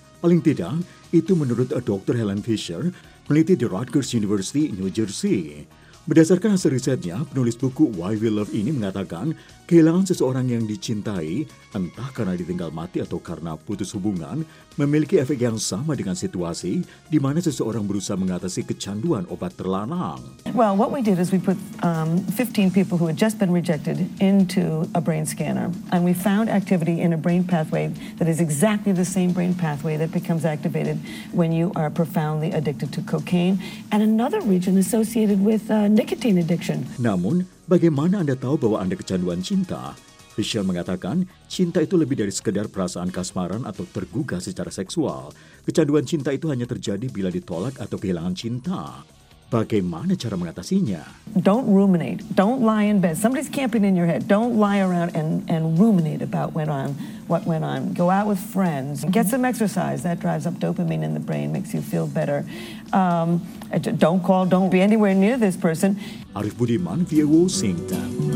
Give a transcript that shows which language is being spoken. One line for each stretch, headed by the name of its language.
Indonesian: Paling tidak, itu menurut Dr. Helen Fisher, peneliti di Rutgers University, New Jersey. Berdasarkan hasil risetnya, penulis buku Why We Love ini mengatakan kehilangan seseorang yang dicintai, entah karena ditinggal mati atau karena putus hubungan, memiliki efek yang sama dengan situasi di mana seseorang berusaha mengatasi kecanduan obat terlarang.
English: Well, what we did is we put 15 people who had just been rejected into a brain scanner, and we found activity in a brain pathway that is exactly the same brain pathway that becomes activated when you are profoundly addicted to cocaine and another region associated with nicotine addiction.
Indonesian: Namun, bagaimana Anda tahu bahwa Anda kecanduan cinta? Fisher mengatakan, cinta itu lebih dari sekedar perasaan kasmaran atau tergugah secara seksual. Kecanduan cinta itu hanya terjadi bila ditolak atau kehilangan cinta. Bagaimana cara mengatasinya?
English: Don't ruminate. Don't lie in bed. Somebody's camping in your head. Don't lie around and ruminate about what went on. Go out with friends. Get some exercise. That drives up dopamine in the brain, makes you feel better. Don't call. Don't be anywhere near this person.
Indonesian: Arif Budiman, VOA Washington.